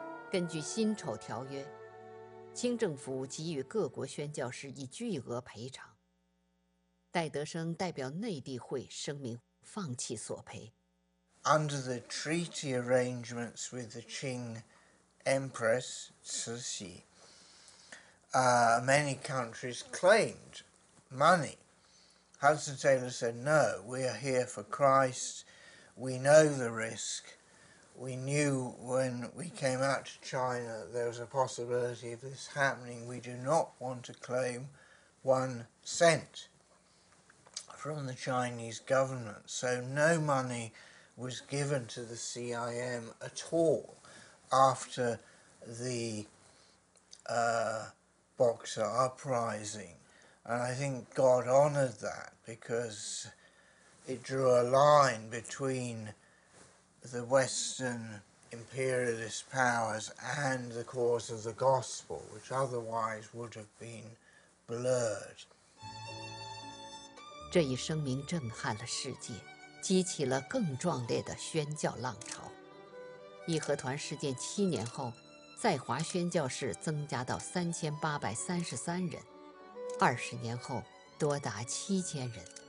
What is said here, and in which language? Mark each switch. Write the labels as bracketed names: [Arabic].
[Chinese] 根据辛丑条约，清政府给予各国宣教士以巨额赔偿。戴德生代表内地会声明放弃索赔。 [English] Under the treaty arrangements with the Qing Empress Cixi, many countries claimed money. Hudson Taylor said, no, we are here for Christ. We know the risk. We knew when we came out to China there was a possibility of this happening. We do not want to claim 1 cent from the Chinese government. So no money was given to the CIM at all after the Boxer uprising. And I think God honored that because it drew a line between the Western imperialist powers and the cause of the gospel, which otherwise would have been blurred. [Chinese] 这一声明震撼了世界，激起了更壮烈的宣教浪潮。义和团事件7年后，在华宣教士增加到3833人，20年后多达7000人。